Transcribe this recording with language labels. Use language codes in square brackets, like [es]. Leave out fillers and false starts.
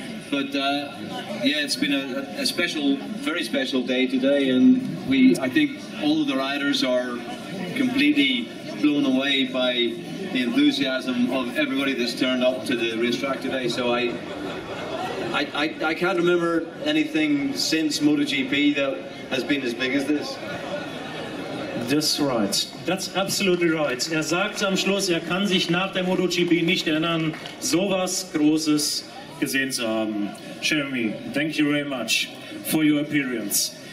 [en] But it's been a special, very special day today, and I think all of the riders are completely blown away by the enthusiasm of everybody that's turned up to the racetrack today. So I can't remember anything since MotoGP that has been as big as this. That's right. That's absolutely right. [de] Er sagt am Schluss, er kann sich nach der MotoGP nicht erinnern, sowas Großes gesehen zu haben. [en] Jeremy, thank you very much for your appearance.